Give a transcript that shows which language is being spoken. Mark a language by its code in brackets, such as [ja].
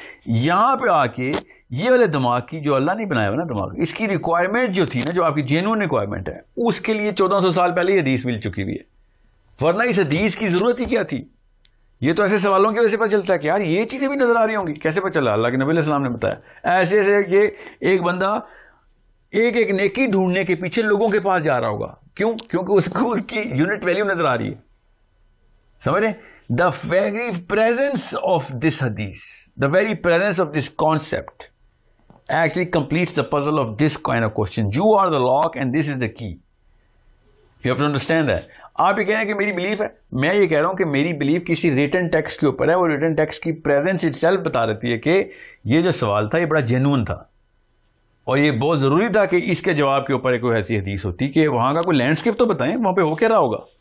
[hi] यहाँ पर आके ये वाले दिमाग की जो अल्लाह ने बनाया ना दिमाग, इसकी रिक्वायरमेंट जो थी ना, जो आपकी जेन्युइन रिक्वायरमेंट है, उसके लिए 1400 साल पहले ये हदीस मिल चुकी हुई है, वरना इस हदीस की ज़रूरत ही क्या थी. ये तो ऐसे सवालों की वजह से पता चलता है कि यार ये चीज़ें भी नज़र आ रही होंगी, कैसे पता चला, अल्लाह के नबी अलैहिस्सलाम ने बताया. ऐसे ऐसे ये एक बंदा एक एक नेकी ढूंढने के पीछे लोगों के पास जा रहा होगा, क्यों, क्योंकि उसको उसकी यूनिट वैल्यू नज़र आ रही है, [en] Somebody, the very presence of this hadith, the very presence of this concept, actually completes the puzzle of this kind of question. You are the lock and this is the key. You have to understand that. [hi] आप ये कह रहे हैं कि मेरी belief है, मैं ये कह रहा हूँ कि मेरी बिलीफ किसी रिटन टेक्स्ट के ऊपर है. वो रिटन टेक्स्ट की प्रेजेंस इटसेल्फ बता देती है कि ये जो सवाल था ये बड़ा जेन्युइन था और ये बहुत ज़रूरी था कि इसके जवाब के ऊपर कोई ऐसी हदीस होती कि वहाँ का कोई लैंडस्केप तो बताएं वहाँ पर हो क्या रहा होगा.